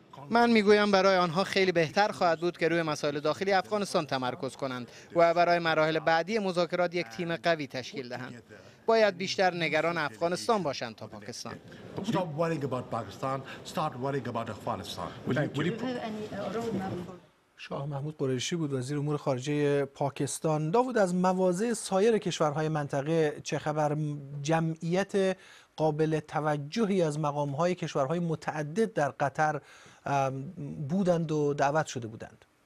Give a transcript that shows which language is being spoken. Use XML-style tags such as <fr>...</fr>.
<fa>من میگویم برای آنها خیلی بهتر خواهد بود که روی مسائل داخلی افغانستان تمرکز کنند و برای مراحل بعدی مذاکرات یک تیم قوی تشکیل دهند. باید بیشتر نگران افغانستان باشند تا پاکستان.</fa> <en>Stop worrying about Pakistan. Start worrying about Afghanistan.</en> <fa>شاه محمود قریشی بود وزیر امور خارجه پاکستان. داود، از مواضع سایر کشورهای منطقه چه خبر؟ جمعیت قابل توجهی از مقامهای کشورهای متعدد در قطر بودند و دعوت شده بودند.</fa>